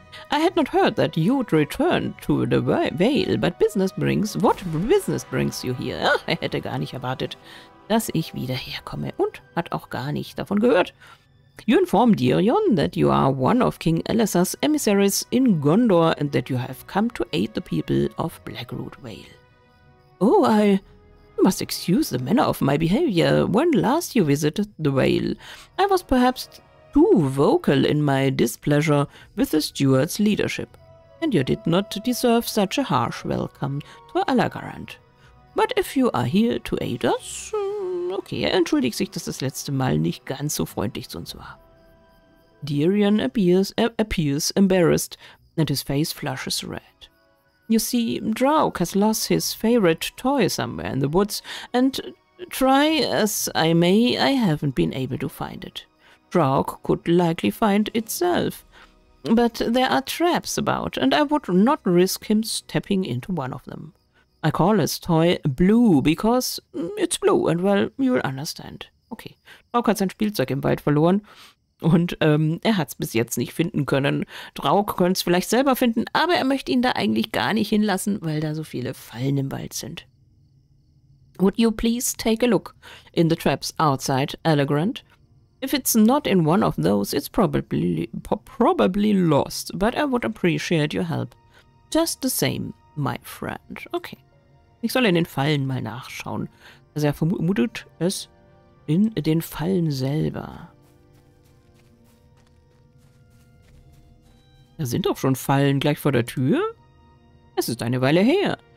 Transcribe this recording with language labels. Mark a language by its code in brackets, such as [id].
[en] I had not heard that you'd return to the Vale, but business brings you here. [de] Ach, er hätte gar nicht erwartet, dass ich wieder herkomme und hat auch gar nicht davon gehört. [en] You informed Dirion that you are one of King Elessar's emissaries in Gondor and that you have come to aid the people of Blackroot Vale. Oh, I must excuse the manner of my behavior when last you visited the Vale. I was perhaps too vocal in my displeasure with the Stuart's leadership, and you did not deserve such a harsh welcome to Alagarant. But if you are here to aid us, [de] okay, er entschuldigt sich, dass das letzte Mal nicht ganz so freundlich zu uns war. [en] Dirion appears embarrassed, and his face flushes red. You see, Drauk has lost his favorite toy somewhere in the woods, and try as I may, I haven't been able to find it. Drauk could likely find itself, but there are traps about, and I would not risk him stepping into one of them. I call his toy Blue, because it's blue, and well, you'll understand. [de] Okay, Drauk hat sein Spielzeug im Wald verloren, und er hat's bis jetzt nicht finden können. Drauk könnte es vielleicht selber finden, aber er möchte ihn da eigentlich gar nicht hinlassen, weil da so viele Fallen im Wald sind. [en] Would you please take a look in the traps outside, Alagrand? If it's not in one of those, it's probably lost, but I would appreciate your help. Just the same, my friend. Okay. [de] Ich soll in den Fallen mal nachschauen. Also er vermutet es in den Fallen selber. Da sind doch schon Fallen gleich vor der Tür. Es ist eine Weile her.